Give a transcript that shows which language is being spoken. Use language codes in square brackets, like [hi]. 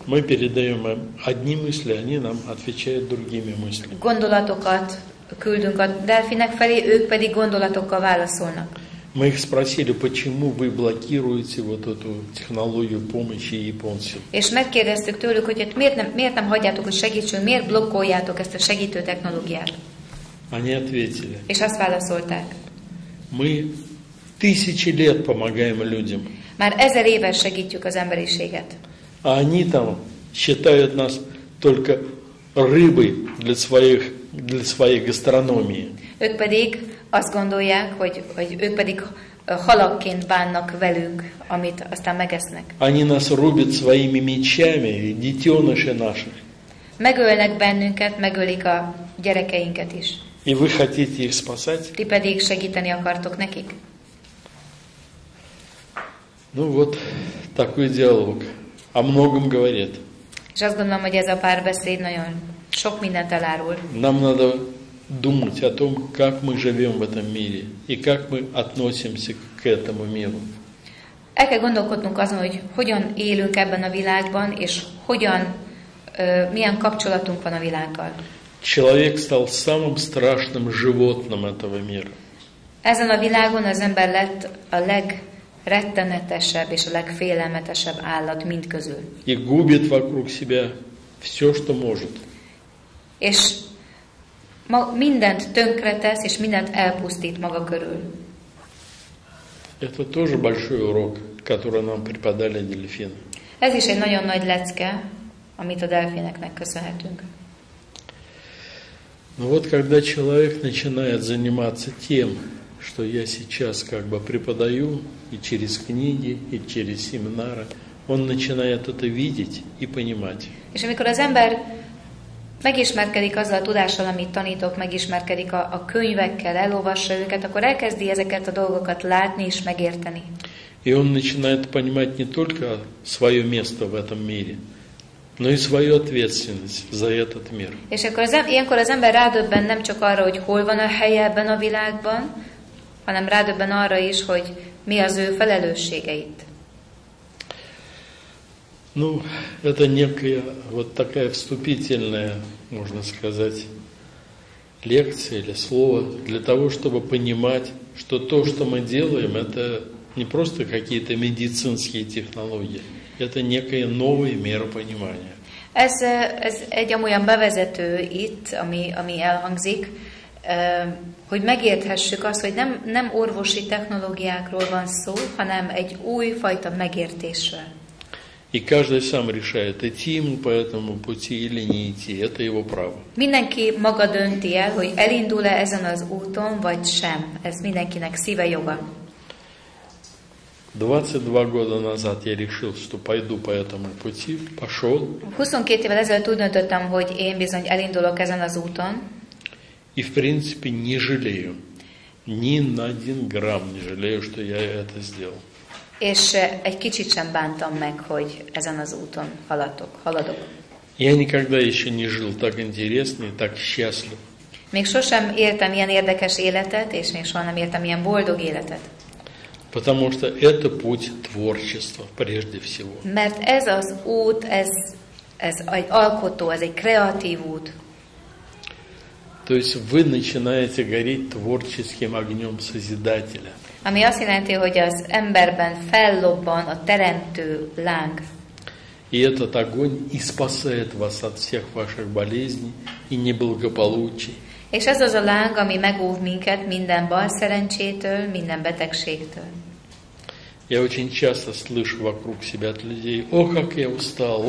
[ru] Мы передаем одни мысли, они нам отвечают другими мыслями. [hu] Gondolatokat küldünk a delfinek felé, ők pedig gondolatokkal válaszolnak. [ru] Мы их спросили, почему вы блокируете вот эту технологию помощи японцам. [hu] És megkérdeztük tőlük, hogy miért nem hagyjátok, hogy segítsünk, miért blokkoljátok ezt a segítő technológiát. [ru] Они ответили. [hu] És azt válaszolták. [ru] Мы тысячи лет помогаем людям. [hu] Már ezer éve segítjük az emberiséget. [ru] А они там считают нас только рыбой для своей гастрономии. [hu] Ők pedig azt gondolják, hogy ők pedig halakként bánnak velünk, amit aztán megesznek. [ru] Они нас рубят своими мечами, детеныши наши. [hu] Megölnek bennünket, megölik a gyerekeinket is. [ru] И вы хотите их спасать? [hu] Ti pedig segíteni akartok nekik? [ru] Ну вот, такой диалог. О многом говорит. [hu] És azt gondolom, hogy ez a párbeszéd nagyon sok mindent elárul. [ru] Нам надо думать о том, как мы живем в этом мире и как мы относимся к этому миру. [hu] El kell gondolkodnunk azon, hogy hogyan élünk ebben a világban, és hogyan, milyen kapcsolatunk van a világgal. [ru] Человек стал самым страшным животным этого мира. [hu] Ezen a világon az ember lett a legrettenetesebb és a legfélelmetesebb állat mindközül. [ru] И губит вокруг себя все, что может. [hu] És mindent tönkretesz, és mindent elpusztít maga körül. [ru] Это тоже большой урок, который нам преподали дельфины. [hu] Ez is egy nagyon nagy lecke, amit a delfineknek köszönhetünk. [ru] Ну вот, когда человек начинает заниматься тем, что я сейчас как бы преподаю, и через книги, и через семинары, он начинает это видеть и понимать. [hu] És amikor az ember megismerkedik azzal a tudással, amit tanítok, megismerkedik a könyvekkel, elolvassa őket, akkor elkezdi ezeket a dolgokat látni és megérteni. [ru] И он начинает понимать не только свое место в этом мире, но и свою ответственность за этот мир. [hu] És akkor ilyenkor az ember rádöbben nem csak arra, hogy hol van a helye ebben a világban, hanem rádöbben arra is, hogy mi az ő felelősségeit. [ru] Ну, это некая вот такая вступительная, можно сказать, лекция или слово для того, чтобы понимать, что то, что мы делаем, это не просто какие-то медицинские технологии, это некая новая мера понимания. [hu] Ez egy olyan bevezető itt, ami elhangzik, hogy megérthessük azt, hogy nem orvosi technológiákról van szó, hanem egy új fajta megértésről. [ru] И каждый сам решает, идти ему по этому пути или не идти. Это его право. [hu] Mindenki maga dönti el, hogy elindul-e ezen az úton, vagy sem. Ez mindenkinek szíve joga. [ru] 22 года назад я решил, что пойду по этому пути, пошел. [hu] 22 évvel ezelőtt úgy döntöttem, hogy én bizony elindulok ezen az úton. [ru] И в принципе не жалею. Ни на один грамм не жалею, что я это сделал. [hu] És egy kicsit sem bántam meg, hogy ezen az úton haladok. [ru] Я никогда еще не жил так интересно и так счастливо. [hu] Még sosem éltem ilyen érdekes életet, és még soha nem éltem ilyen boldog életet. [ru] Потому что это путь творчества прежде всего. [hu] Mert ez az út, ez egy alkotó, ez egy kreatív út. [ru] То есть вы начинаете гореть творческим огнем Созидателя. [hu] Ami azt jelenti, hogy az emberben fellobban a teremtő láng. [ru] И этот огонь и спасает вас от всех ваших болезней и неблагополучий. [hu] És ez az a láng, ami megóv minket minden balszerencsétől, minden betegségtől. [ru] Я очень часто слышу вокруг себя от людей: «О, как я устал!